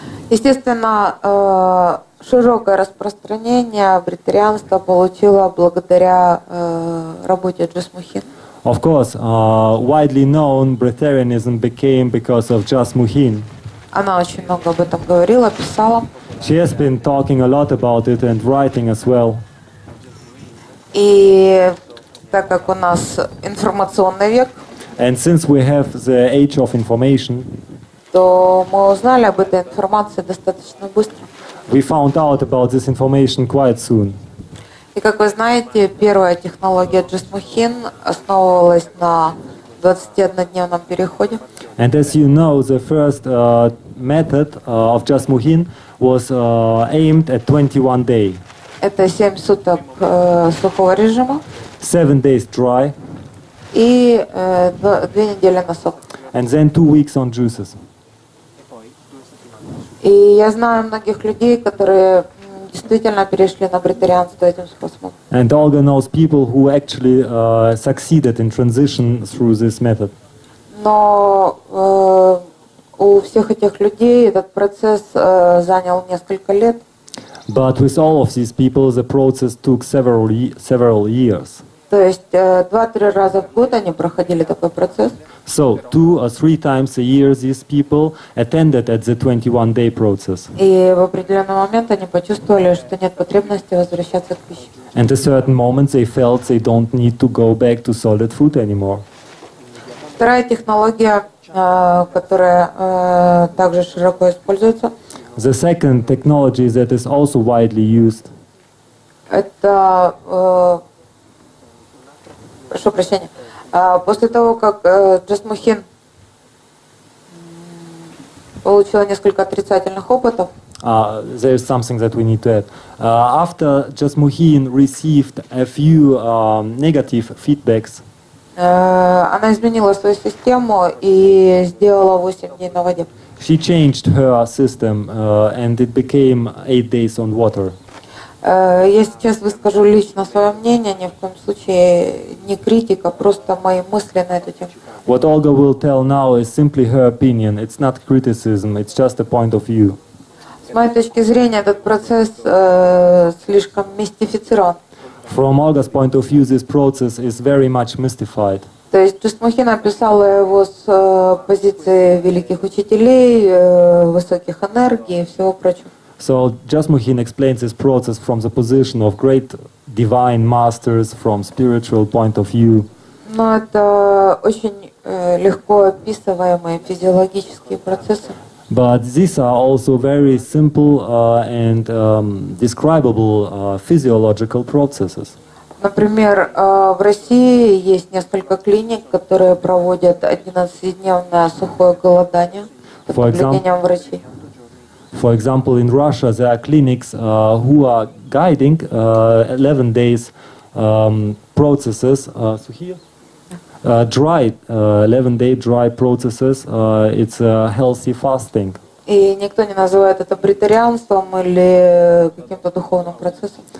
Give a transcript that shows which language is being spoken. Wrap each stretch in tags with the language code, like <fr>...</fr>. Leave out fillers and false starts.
<ru>Естественно, широкое распространение бритарианства получило благодаря работе Джасмухин.</ru> <en>Of course, widely known бритарианизм became because of Джасмухин.</en> <ru>Она очень много об этом говорила, писала.</ru> <en>She has been talking a lot about it and writing as well.</en> <ru>И так как у нас информационный век,</ru> <en>and since we have the age of information,</en> <ru>то мы узнали об этой информации достаточно быстро.</ru> <en>We found out about this information quite soon.</en> <ru>И как вы знаете, первая технология Джасмухин основывалась на 21-дневном переходе.</ru> <en>And as you know, the first method of Джасмухин was aimed at 21 day.</en> <ru>Это 7 суток сухого режима.</ru> <en>7 days dry.</en> <ru>И 2 недели на сок.</ru> <en>And then 2 weeks on juices.</en> <ru>И я знаю многих людей, которые действительно перешли на бритарианство этим способом.</ru> <en>And Olga knows people who actually succeeded in transition through this method.</en> <ru>Но у всех этих людей этот процесс занял несколько лет.</ru> <en>But with all of these people, the process took several years.</en> <ru>То есть 2-3 раза в год они проходили такой процесс.</ru> <en>So 2 or 3 times a year these people attended at the 21-day process.</en> <ru>И в определенный момент они почувствовали, что нет потребности возвращаться к пище.</ru> <en>And at a certain moment they felt they don't need to go back to solid food anymore.</en> <ru>Вторая технология, которая также широко используется.</ru> <en>The second technology that is also widely used.</en> <ru>Это, прошу прощения. После того, как Джасмухин получила несколько отрицательных опытов.</ru> <en>There is something that we need to add. After Джасмухин received a few negative feedbacks.</en> <ru>Она изменила свою систему и сделала 8 дней на воде.</ru> <en>She changed her system, and it became 8 days on water.</en> <ru>Я сейчас выскажу лично свое мнение, ни в коем случае не критика, просто мои мысли на эту тему.</ru> <en>What Olga will tell now is simply her opinion. It's not criticism, it's just a point of view.</en> <ru>С моей точки зрения, этот процесс слишком мистифицирован.</ru> <en>From Olga's point of view, this process is very much mystified.</en> <ru>То есть Джасмухин описала его с позиции великих учителей, высоких энергий и всего прочего.</ru> <en>So Джасмухин explains this process from the position of great divine masters, from spiritual point of view.</en> <ru>Но это очень легко описываемые физиологические процессы.</ru> <en>But these are also very simple and describable physiological processes.</en> <ru>Например, в России есть несколько клиник, которые проводят 11-дневное сухое голодание под наблюдением врачей.</ru> <en>For example, in Russia there are clinics who are guiding 11 days processes. Dry, 11-day dry processes, it's a healthy fasting.</en> <ru>И никто не называет это бритарианством или каким-то духовным процессом.</ru>